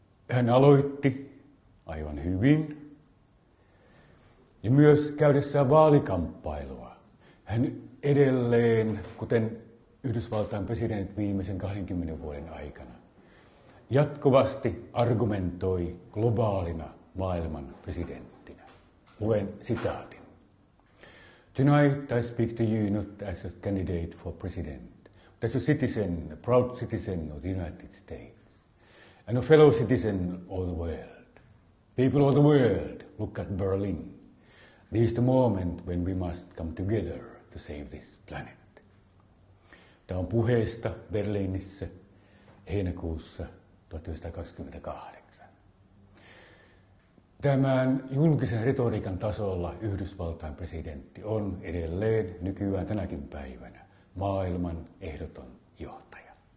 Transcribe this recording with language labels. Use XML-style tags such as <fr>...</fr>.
<fi>Hän aloitti aivan hyvin. Ja myös käydessään vaalikamppailua, hän edelleen, kuten Yhdysvaltain presidentit viimeisen 20 vuoden aikana, jatkuvasti argumentoi globaalina maailman presidenttinä. Luen sitaatin.</fi> <en>Tonight I speak to you not as a candidate for president, but as a citizen, a proud citizen of the United States, and a fellow citizen of the world. People of the world, look at Berlin. This is the moment when we must come together to save this planet.</en> <fi>Tämä on puheesta Berliinissä heinäkuussa 1928. Tämän julkisen retoriikan tasolla Yhdysvaltain presidentti on edelleen nykyään tänäkin päivänä maailman ehdoton johtaja.</fi>